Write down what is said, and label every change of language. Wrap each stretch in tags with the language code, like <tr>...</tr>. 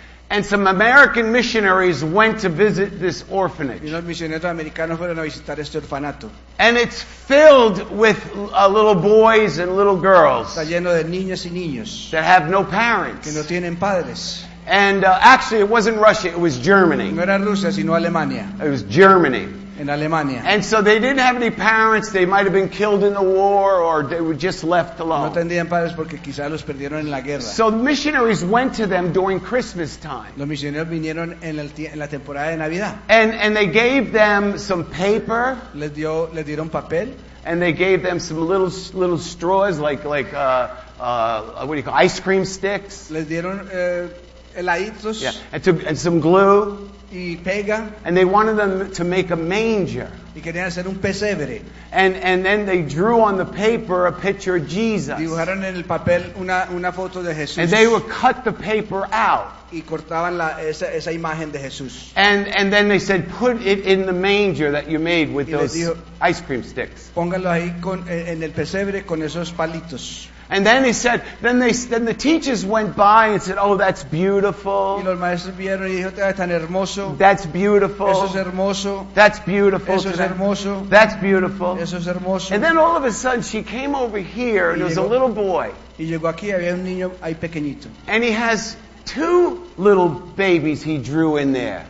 <en>And some American missionaries went to visit this orphanage.</en> <es>Y los misioneros americanos fueron a visitar este orfanato.</es> <en>And it's filled with little boys and little girls.</en> <es>Está lleno de niñas y niños.</es> <en>That have no parents.</en> <es>Que no tienen padres.</es> <en>And actually, it wasn't Russia, it was Germany.</en> <es>No era Rusia, sino Alemania.</es> <en>It was Germany.</en> <es>En Alemania.</es> <en>And so they didn't have any parents, they might have been killed in the war, or they were just left alone.</en> <es>No tenían padres porque quizá los perdieron en la guerra.</es> <en>So the missionaries went to them during Christmas time.</en> <es>Los misioneros vinieron en la temporada de Navidad.</es> <en>And they gave them some paper.</en> <es>Les dieron papel.</es> <en>And they gave them some little straws, like what do you call it? Ice cream sticks.</en> <es>Les dieron heladitos,</es> <en>yeah, and some glue,</en> <es>y pega,</es> <en>and they wanted them to make a manger.</en> <es>Y querían hacer un pesebre.</es> <en>And then they drew on the paper a picture of Jesus.</en> <es>Dibujaron en el papel una foto de Jesús.</es> <en>And they would cut the paper out.</en> <es>Y cortaban esa imagen de Jesús.</es> <en>And then they said, put it in the manger that you made with those ice cream sticks.</en> <es>Póngalo ahí en el pesebre con esos palitos.</es> <en>And then then the teachers went by and said, oh, that's beautiful.</en> <es>Y los maestros vieron y dijeron, tan hermoso.</es> <en>That's beautiful.</en> <es>Eso es hermoso.</es> <en>That's beautiful.</en> <es>Eso es hermoso.</es> <en>That's beautiful.</en> <es>Eso es hermoso.</es> <en>And then all of a sudden she came over here and there was a little boy.</en> <es>Y llegó aquí, había un niño ahí pequeñito.</es> <en>And he has two little babies he drew in there.</en>